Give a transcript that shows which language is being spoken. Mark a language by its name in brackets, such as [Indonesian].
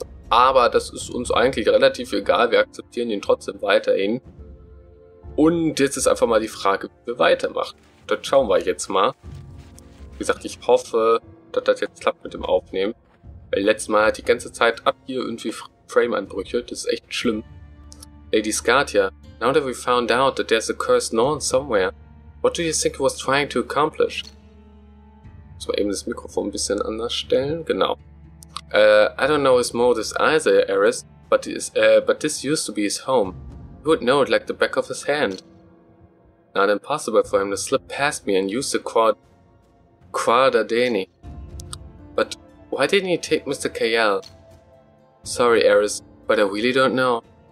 [German] Aber das ist uns eigentlich relativ egal, wir akzeptieren ihn trotzdem weiterhin. Und jetzt ist einfach mal die Frage, wie wir weitermachen. Das schauen wir jetzt mal. Wie gesagt, ich hoffe, dass das jetzt klappt mit dem Aufnehmen. Weil letztes Mal hat die ganze Zeit ab hier irgendwie Frame-Anbrüche, das ist echt schlimm. [English] Lady Skatia, now that we found out that there's a cursed Norn somewhere, what do you think it was trying to accomplish? [German] Muss mal eben das Mikrofon ein bisschen anders stellen, genau. [English] I don't know his modus either, Aeris, but this used to be his home. He would know it like the back of his hand. Not impossible for him to slip past me and use the Quadadeni. But why didn't he take Mr. Kael? Sorry, Aeris, but I really don't know.